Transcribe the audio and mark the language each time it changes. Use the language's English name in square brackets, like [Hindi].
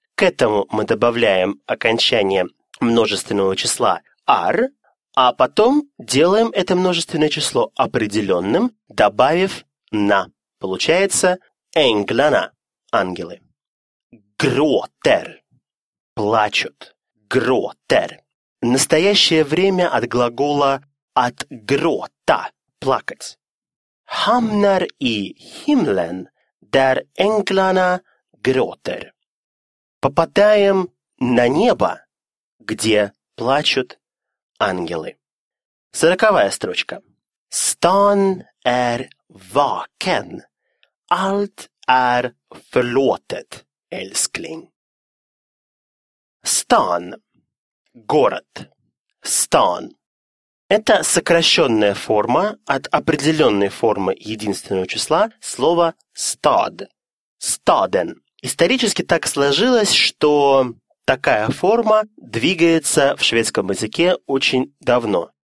[Russian] К этому мы добавляем окончание множественного числа r, а потом делаем это множественное число определенным, добавив на. Получается «englana» — «ангелы». «Gråter» — «плачут». «Gråter» — настоящее время от глагола «от грота» — «плакать». [Swedish] «Hamnar i himlen, där englarna gråter». [Russian] «Попадаем на небо, где плачут ангелы». 40-я строчка. [Swedish] «Stan är vaken. Allt är förlåtet, älskling». [Russian] «Stan» — город. «Stan» — это сокращенная форма от определенной формы единственного числа слова «stad». «Staden». Исторически так сложилось, что такая форма двигается в шведском языке очень давно.